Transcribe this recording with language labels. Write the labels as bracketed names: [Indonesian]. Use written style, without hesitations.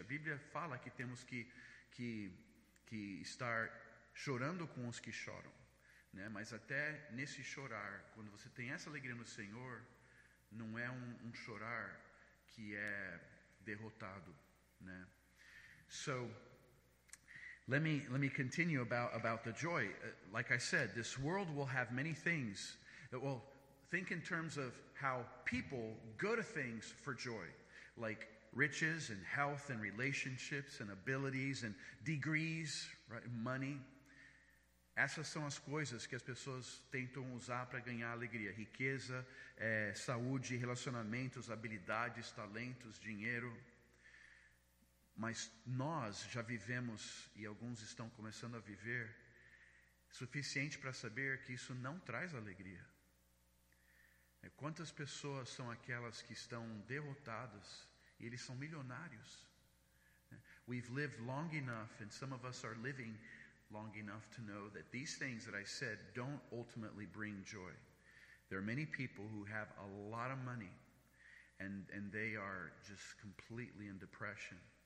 [Portuguese] A Bíblia fala que temos que estar chorando com os que choram, né? Mas até nesse chorar, quando você tem essa alegria no Senhor, não é um chorar que é derrotado, né? [English] So, let me continue about the joy. Like I said, this world will have many things. Well, think in terms of how people go to things for joy, like riches and health and relationships and abilities and degrees, right? Money. [Portuguese] Essas são as coisas que as pessoas tentam usar para ganhar alegria: riqueza, saúde, relacionamentos, habilidades, talentos, dinheiro. Mas nós já vivemos, e alguns estão começando a viver, suficiente para saber que isso não traz alegria. Quantas pessoas são aquelas que estão derrotadas e eles são milionários? [English] We've lived long enough, and some of us are living long enough to know that these things that I said don't ultimately bring joy. There are many people who have a lot of money, and they are just completely in depression.